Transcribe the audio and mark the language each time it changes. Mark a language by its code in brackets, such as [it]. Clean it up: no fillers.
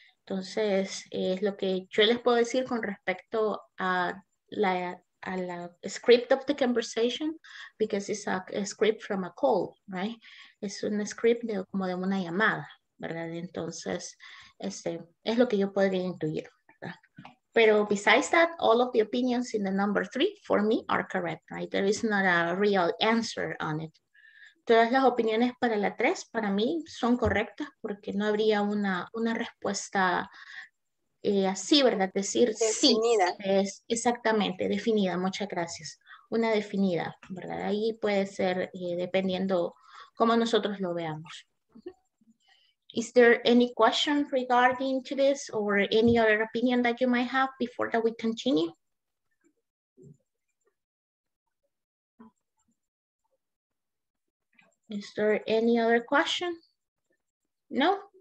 [es] Entonces, es lo que yo les puedo decir con respecto a la [en] script of the conversation, because it's a script from a call, right? [es] Es un script de, como de una llamada, ¿verdad? Entonces, es lo que yo podría intuir, ¿verdad? [en] Pero besides that, all of the opinions in the number three for me are correct, right? There is not a real answer on it. [es] Todas las opiniones para la tres para mí son correctas porque no habría una respuesta así, ¿verdad? Decir definida. Sí, es exactamente, definida, muchas gracias. Una definida, ¿verdad? Ahí puede ser dependiendo cómo nosotros lo veamos. [en] Is there any question regarding to this or any other opinion that you might have before that we continue? Is there any other question? No?